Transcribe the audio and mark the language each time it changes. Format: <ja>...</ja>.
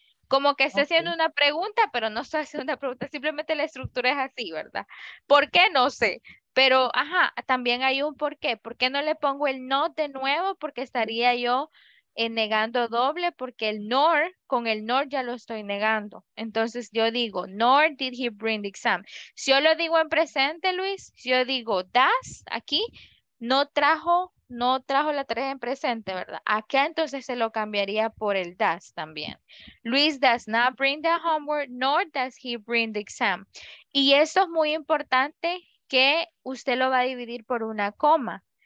<es>Como que estoy haciendo una pregunta, pero no estoy haciendo una pregunta, simplemente la estructura es así, ¿verdad? ¿Por qué? No sé. Pero, ajá, también hay un por qué. ¿Por qué no le pongo el not de nuevo? Porque estaría yo negando doble, porque el nor, con el nor ya lo estoy negando. Entonces yo digo,</es> <en>nor did he bring the exam.</en> <es>Si yo lo digo en presente, Luis, si yo digo does, aquí, no trajo la tarea en presente, ¿verdad? Acá entonces se lo cambiaría por el does también.</es> <en>Luis does not bring the homework, nor does he bring the exam.</en> <es>Y eso es muy importante que usted lo va a dividir por una coma.</es>